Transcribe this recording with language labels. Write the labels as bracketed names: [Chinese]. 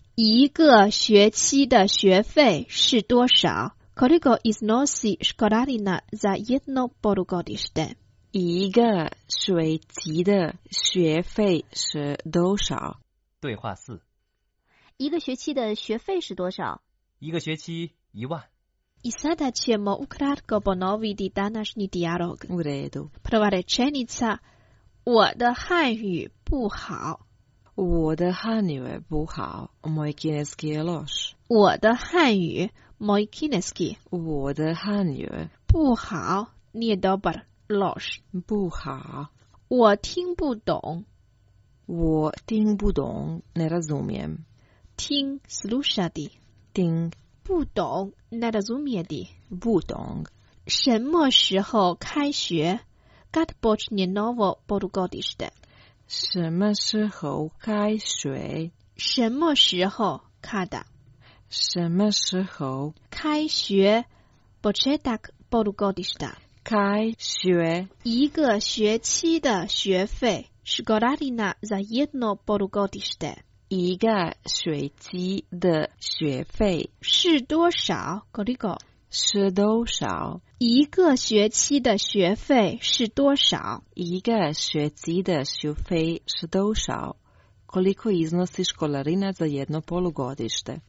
[Chinese] 一个学期的学费是多少 [Croatian] koliko iznosi školarina za jedno polugodište. [Chinese] 一个学期的学费是多少对话四。一个学期的学费是多少？一个学期一万。 [Croatian] I sada ćemo ukratko ponoviti današnji dijalog. U redu. Prva rečenica, [Chinese] 我的汉语不好。我的汉语不好。 [Croatian] Moj kineski je loš. [Chinese] 我的汉语 [Croatian] moj kineski. [Chinese] 我的汉语不好 [Croatian] nije dobar loš. [Chinese] 不好。我听不懂。我听不懂 [Croatian] ne razumijem. 听 slušati， [Chinese] 听不懂 [Croatian] ne razumjeti， [Chinese] 不懂什么时候开学 ？ [Croatian] Kad počinje novo polugodište？ [Chinese] 什么时候开学？什么时候 ？Kada？什么时候开学 ？ [Croatian] Početak polugodišta？ [Chinese] 开学一个学期的学费 ？ [Croatian] Školarina za jedno polugodište？ [Chinese] 一个学期的学费是多少 ？Koliko？是多少？一个学期的学费是多少？一个学期的学费是多少 ？ [Croatian] Koliko iznosi školarina za jedno polugodište？